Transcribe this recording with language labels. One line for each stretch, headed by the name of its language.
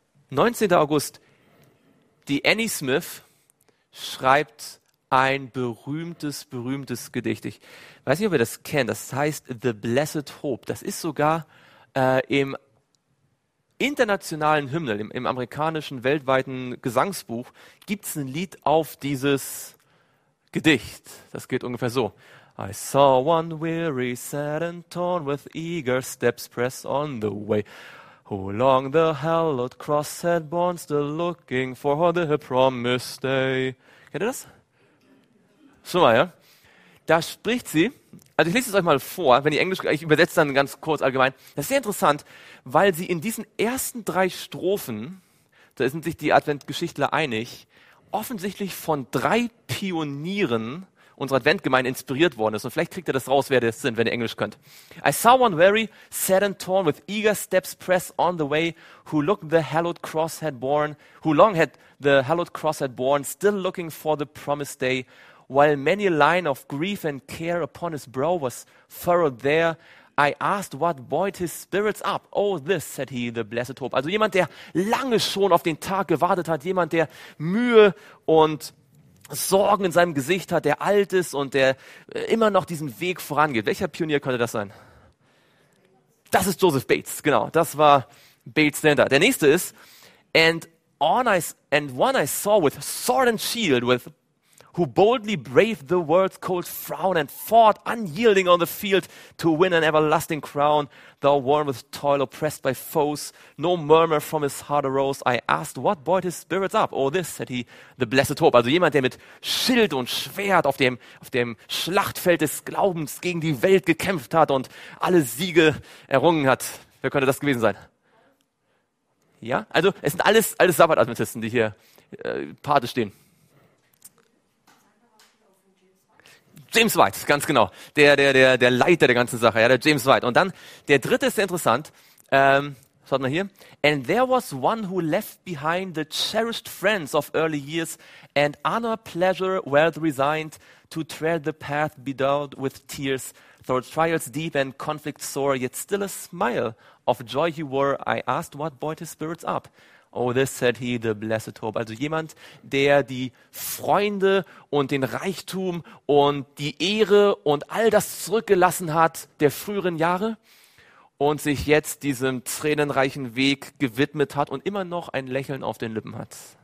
German: 19. August, die Annie Smith schreibt ein berühmtes Gedicht. Ich weiß nicht, ob ihr das kennt, das heißt The Blessed Hope. Das ist sogar im internationalen Hymnal, im amerikanischen weltweiten Gesangsbuch, gibt es ein Lied auf dieses Gedicht. Das geht ungefähr so.
English: I saw one weary, sad and torn with eager steps press on the way. Who long the hallowed cross had borne, still looking for the promised day.
German: Kennt ihr das? Schon mal, ja? Da spricht sie, also ich lese es euch mal vor, wenn ihr Englisch, ich übersetze dann ganz kurz allgemein. Das ist sehr interessant, weil sie in diesen ersten drei Strophen, da sind sich die Adventgeschichtler einig, offensichtlich von drei Pionieren unserer Adventgemeinde inspiriert worden ist. Und vielleicht kriegt ihr das raus, wer das sind, wenn ihr Englisch könnt.
English: I saw one weary, sad and torn, with eager steps press on the way, who looked the hallowed cross had borne, who long had the hallowed cross had borne, still looking for the promised day, while many a line of grief and care upon his brow was furrowed there, I asked what buoyed his spirits up. Oh, this, said he, the blessed hope.
German: Also jemand, der lange schon auf den Tag gewartet hat, jemand, der Mühe und Sorgen in seinem Gesicht hat, der alt ist und der immer noch diesen Weg vorangeht. Welcher Pionier könnte das sein? Das ist Joseph Bates, genau. Das war Bates Center. Der nächste ist,
English: and one I saw with sword and shield, with who boldly braved the world's cold frown and fought unyielding on the field to win an everlasting crown. Thou worn with toil, oppressed by foes, no murmur from his heart arose. I asked, what buoyed his spirits up? Oh, this, said he, the blessed hope.
German: Also jemand, der mit Schild und Schwert auf dem Schlachtfeld des Glaubens gegen die Welt gekämpft hat und alle Siege errungen hat. Wer könnte das gewesen sein? Ja, also es sind alles Sabbat-Adventisten, die hier Pate stehen. James White, ganz genau. Der Leiter der ganzen Sache, ja, der James White. Und dann, der dritte ist sehr interessant. Schaut mal hier.
English: And there was one who left behind the cherished friends of early years and honor pleasure wealth resigned to tread the path bedaubed with tears, though trials deep and conflict sore, yet still a smile of joy he wore. I asked what buoyed his spirits up. Oh, this said he, the blessed hope.
German: Also jemand, der die Freunde und den Reichtum und die Ehre und all das zurückgelassen hat der früheren Jahre und sich jetzt diesem tränenreichen Weg gewidmet hat und immer noch ein Lächeln auf den Lippen hat.